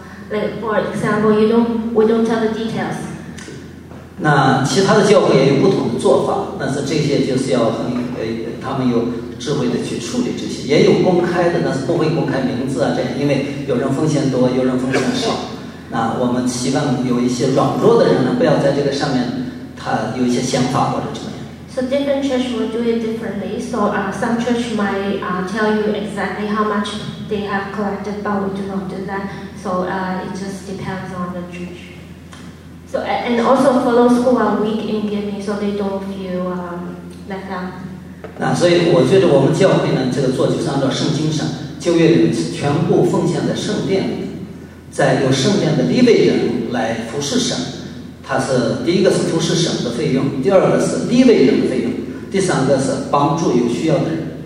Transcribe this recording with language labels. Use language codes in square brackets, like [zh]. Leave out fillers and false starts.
[en] Like for example, we don't tell the details. [zh] 那其他的教会也有不同的做法，但是这些就是要很会他们有智慧的去处理这些，也有公开的，但是不会公开名字啊，这样，因为有人奉献多，有人奉献少。那我们希望有一些软弱的人呢，不要在这个上面，他有一些想法或者怎么样。 [en] So different church will do it differently. So some church might tell you exactly how much they have collected, but we do not do that. So it just depends on the church. So and also fellows who are weak in giving, so they don't feel left out. [zh] 那所以我觉得我们教会呢，这个做就是按照圣经上旧约里面全部奉献在圣殿里，在有圣殿的立位人来服侍神。他是第一个是服侍神的费用，第二个是立位人的费用，第三个是帮助有需要的人。